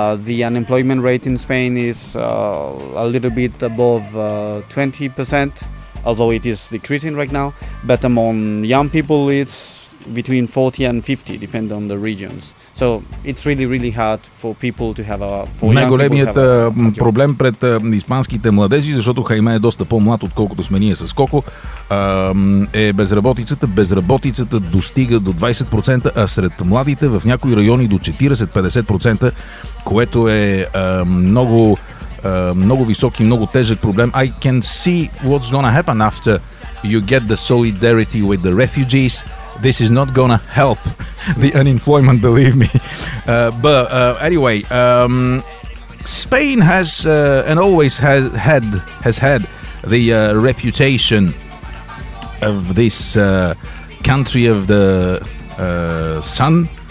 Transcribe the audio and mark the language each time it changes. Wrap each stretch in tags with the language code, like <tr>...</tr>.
<en>The unemployment rate in Spain is a little bit above 20%. Although it is decreasing right now, but among young people it's between 40 and 50, depending on the regions. So it's really, really hard for people to have a...</en> <bg>Най-големият проблем пред испанските младежи, защото Хайме е доста по-млад, отколкото сме ние с Коко, е безработицата. Безработицата достига до 20%, а сред младите в някои райони до 40-50%, което е много... много висок и много тежък проблем.</bg> <en>I can see what's gonna happen after you get the solidarity with the refugees. This is not gonna help the unemployment, believe me. But anyway, Spain has and always has had the reputation of this country of the sun.</en>